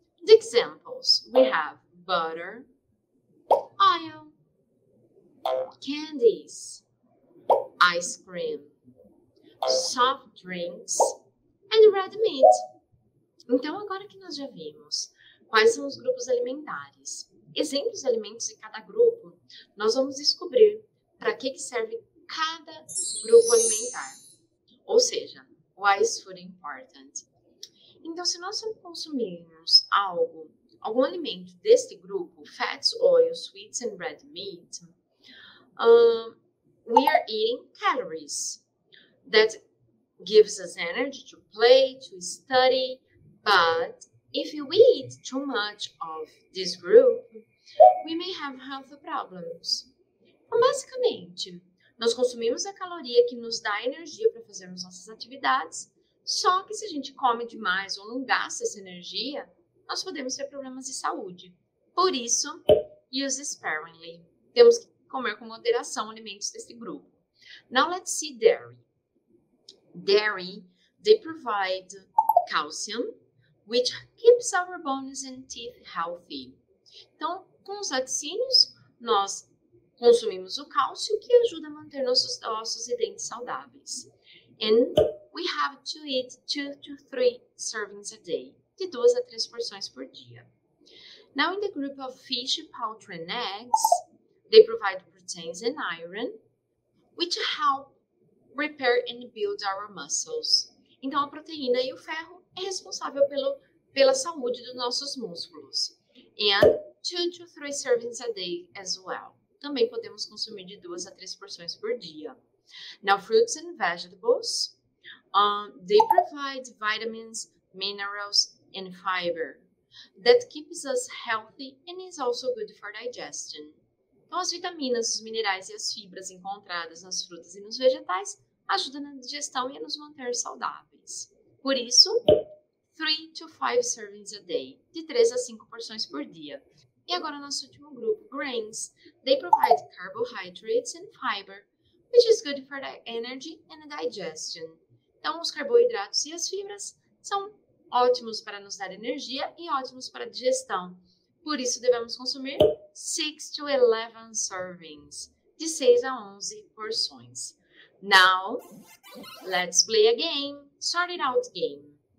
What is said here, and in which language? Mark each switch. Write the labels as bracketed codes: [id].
[en] The examples, we have butter, oil, candies, ice cream, soft drinks, and red meat. [pt] Então, agora que nós já vimos quais são os grupos alimentares, exemplos de alimentos de cada grupo, nós vamos descobrir para que serve cada grupo alimentar. Ou seja, [en] why is food important? [pt] Então, se nós consumirmos algum alimento deste grupo, [en] fats, oils, sweets, and red meat, we are eating calories that gives us energy to play, to study. But if we eat too much of this group, we may have health problems. [pt] Então, basicamente, nós consumimos a caloria que nos dá energia para fazermos nossas atividades, só que se a gente come demais ou não gasta essa energia, nós podemos ter problemas de saúde. Por isso, [en] use sparingly. [pt] Temos que comer com moderação alimentos desse grupo. [en] Now let's see dairy. Dairy, they provide calcium, which keeps our bones and teeth healthy. [pt] Então, com os laticínios, nós consumimos o cálcio, que ajuda a manter nossos ossos e dentes saudáveis. [en] And we have to eat 2 to 3 servings a day. [pt] De 2 a 3 porções por dia. [en] Now, in the group of fish, poultry, and eggs, they provide proteins and iron, which help repair and build our muscles. [pt] Então, a proteína e o ferro é responsável pela saúde dos nossos músculos. [en] And 2 to 3 servings a day as well. [pt] Também podemos consumir de 2 a 3 porções por dia. [en] Now, fruits and vegetables, they provide vitamins, minerals, and fiber that keeps us healthy and is also good for digestion. [pt] Então, as vitaminas, os minerais e as fibras encontradas nas frutas e nos vegetais ajudam na digestão e a nos manter saudáveis. Por isso, [en] 3 to 5 servings a day, [pt] de 3 a 5 porções por dia. E agora, nosso último grupo, [en] grains. They provide carbohydrates and fiber which is good for the energy and digestion. [pt] Então, os carboidratos e as fibras são ótimos para nos dar energia e ótimos para a digestão. Por isso, devemos consumir [en] 6 to 11 servings, [pt] de 6 a 11 porções. [en] Now, let's play a game. Sort it out game.